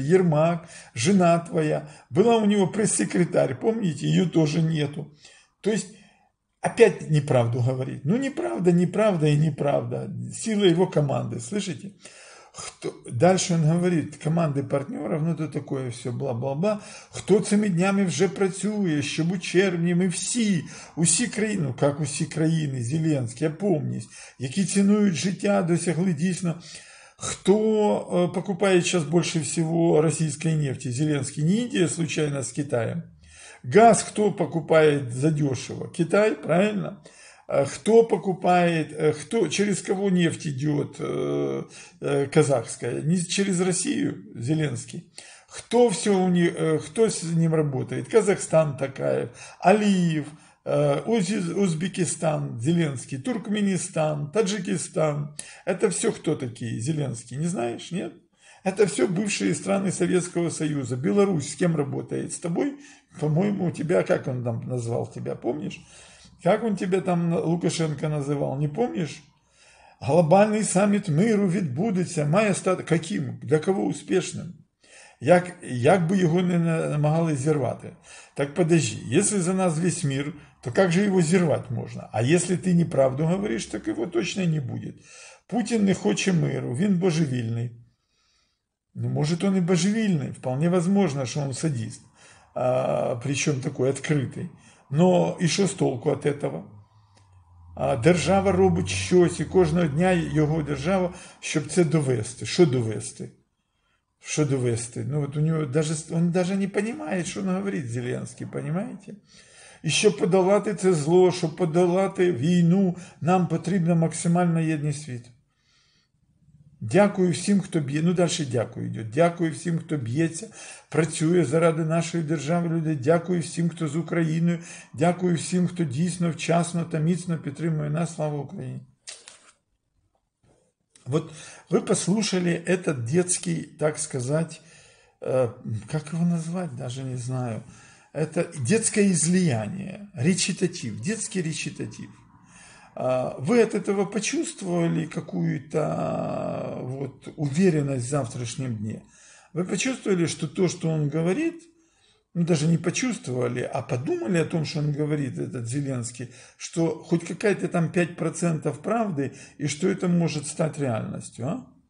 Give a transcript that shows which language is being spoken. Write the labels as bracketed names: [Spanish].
[Russian] Ермак, жена твоя. Была у него пресс-секретарь, помните? Ее тоже нету. То есть, опять неправду говорит. Ну, неправда, неправда и неправда. Сила его команды, слышите? Кто? Дальше он говорит, команды партнеров, ну, то такое все, бла-бла-бла. Кто [Ukrainian] цими днями уже працює, щоб у червні ми всі, усі країни, [Russian] ну, как [Ukrainian] усі країни, Зеленський, [Russian] опомнись, [Ukrainian] які цінують життя, досягли дійсно. [Russian] Кто покупает сейчас больше всего российской нефти, Зеленский? Не Индия, случайно, с Китаем? Газ кто покупает задешево? Китай, правильно? Кто покупает, кто, через кого нефть идет казахская? Не через Россию, Зеленский. Кто все у них, кто с ним работает? Казахстан, Токаев, Алиев, Узбекистан, Зеленский, Туркменистан, Таджикистан. Это все кто такие, Зеленский? Не знаешь, нет? Это все бывшие страны Советского Союза. Беларусь с кем работает? С тобой? По-моему, у тебя, как он там назвал тебя, помнишь? Как он тебя там Лукашенко называл, не помнишь? [Ukrainian] Глобальный саммит миру відбудеться. Має стати... [Russian] Каким? Для кого успешным? [Ukrainian] Як бы его не намагались зірвати? [Russian] Так подожди, если за нас весь мир, то как же его зірвать можно? А если ты неправду говоришь, так его точно не будет. [Ukrainian] Путин не хоче миру, він божевільний. [Russian] Ну, может, он и божевільний, вполне возможно, что он садист, причем такой открытый. Но и что с толку от этого? [Ukrainian] Держава робить щось, [Russian] и каждого дня его держава, чтобы это довести. Что довести? Что довести? Ну, вот у него даже, он даже не понимает, что он говорит, Зеленский, понимаете? И чтобы подолати это зло, чтобы подолати войну, [Ukrainian] нам потрібна максимально єдність світу. Дякую всім, хто б'є. Ну, далі дякую йде. Дякую всім, хто б'ється, працює заради нашої держави, людей. Дякую всім, хто з Україною. Дякую всім, хто дійсно вчасно та міцно підтримує нас. Слава Україні! [Russian] Вот [Ukrainian] ви послушали этот детський, так сказати, як його назвати, навіть не знаю. [Russian] Это детське излияние, речитатив, детський речитатив. Вы от этого почувствовали какую-то вот уверенность в завтрашнем дне? Вы почувствовали, что то, что он говорит, ну даже не почувствовали, а подумали о том, что он говорит, этот Зеленский, что хоть какая-то там 5% правды, и что это может стать реальностью, а?